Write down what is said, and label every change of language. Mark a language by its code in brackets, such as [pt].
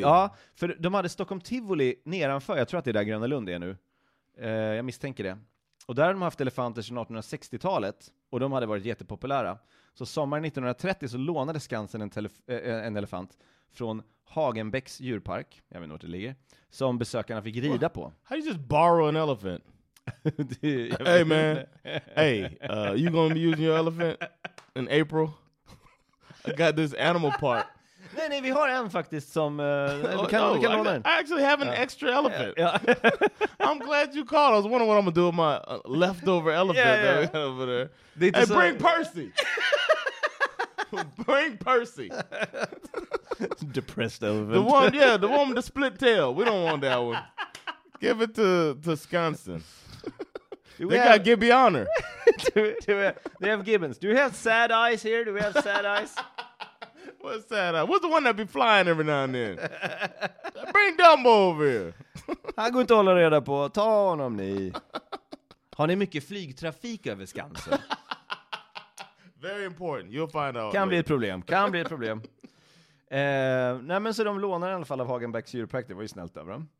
[sv] Ja, för de hade Stockholm Tivoli nedanför. Jag tror att det är där Gröna Lund är nu. Jag misstänker det. Och där har de haft elefanter sedan 1860-talet. Och de hade varit jättepopulära. Så sommaren 1930 så lånade Skansen en elefant från Hagenbäcks djurpark. Jag vet inte var det ligger. Som besökarna fick rida på. [en] How do you just borrow an elephant? Hey man. Hey, you gonna be using your elephant in April? I got this animal park. [sv] Nej, vi har en faktiskt som kan låna den. [en] I actually have an extra elephant. I'm glad you called. I was wondering what I'm gonna do with my leftover elephant over there. Det hey, bring Percy! Bring Percy! Depressed elephant. The one, yeah, the one with the split tail. We don't want that one. Give it to Skansen. They got Gibby Honor. They have Gibbons. Do we have sad eyes here? Do we have sad eyes? What's sad eyes? What's the one that be flying every now and then? Bring Dumbo over here. [sv] Han går inte hålla reda på. Ta honom ni. Har ni mycket flygtrafik över Skansen? [en] Very important. You'll find out. [sv] Kan bli ett problem. Kan bli ett problem. Nej, men så de lånade i alla fall av Hagenbecks djurpark. Det var ju snällt över dem.